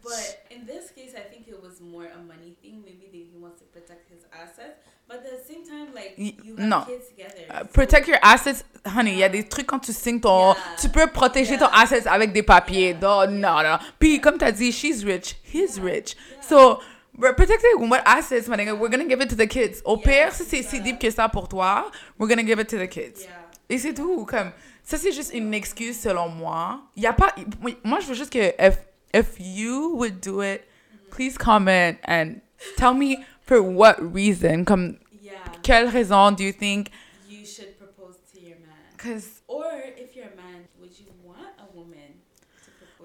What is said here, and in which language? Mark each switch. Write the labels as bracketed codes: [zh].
[en] But in this case, I think it was more a money thing. Maybe he wants to protect his assets. But at the same time, like, you have kids together. So. Protect your assets, honey. [fr] Il y a des trucs quand tu signes ton... Yeah. Tu peux protéger ton assets avec des papiers. [en] Non. [fr] Puis, comme t'as dit, [en] she's rich. He's rich. Yeah. So, we're protecting what assets, my nigga. We're gonna give it to the kids. [fr] Au pire, si c'est si deep que ça pour toi, [en] we're gonna give it to the kids. Yeah. [fr] Et c'est tout. Comme, ça, c'est juste une excuse, selon moi. Il y a pas... Moi, je veux juste que... [en] If you would do it, please comment and tell me... For what reason? [fr] Comme, quelle raison [en] do you think? You should propose to your man. Cause, or if you're a man, would you want a woman to propose?